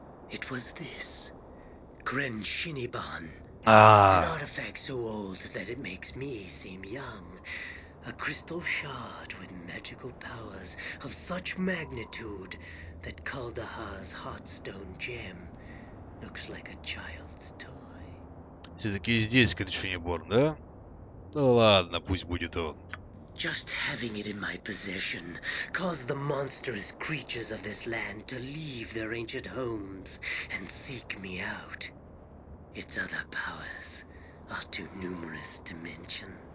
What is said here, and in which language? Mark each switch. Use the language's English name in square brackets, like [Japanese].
[English] It was this. Gren Shiniban. It's an artifact so old that it makes me seem young. A crystal shard with magical powers of such magnitude that Kaldahar's Heartstone gem looks like a child's toy. [Russian] Все-таки здесь Криншинеборн, да? Ну ладно, пусть будет он. [English] Just having it in my possession caused the monstrous creatures of this land to leave their ancient homes and seek me out. Its other powers are too numerous to mention.